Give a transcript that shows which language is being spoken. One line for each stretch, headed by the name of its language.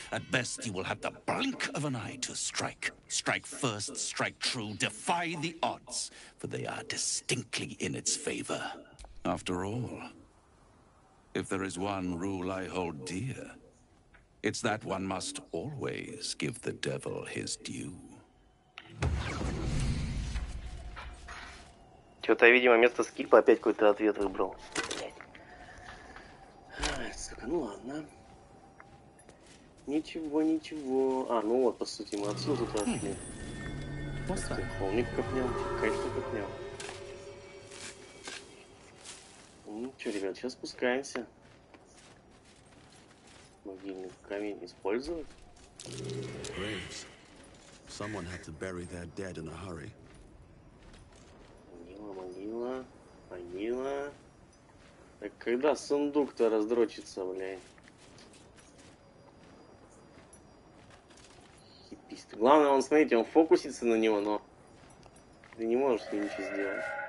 English: At best, you will have the blink of an eye to strike. Strike first, strike true, defy the odds, for they are distinctly in its favor. After all, if there is one rule I hold dear, it's that one must always give the devil his due.
Russian: Что-то, видимо, вместо скипа опять какой-то ответ выбрал. Сука, ну ладно. Ничего, ничего. А, ну вот, по сути, мы отсюда пошли. Холмик копнем, конечно, копнем. Ну что, ребят, сейчас спускаемся.
English: Graves. Someone had to bury their dead in a hurry.
Russian: Могила. Могила. Так когда сундук-то раздрочится, блядь? Главное, он, смотрите, он фокусится на него, но ты не можешь ничего сделать.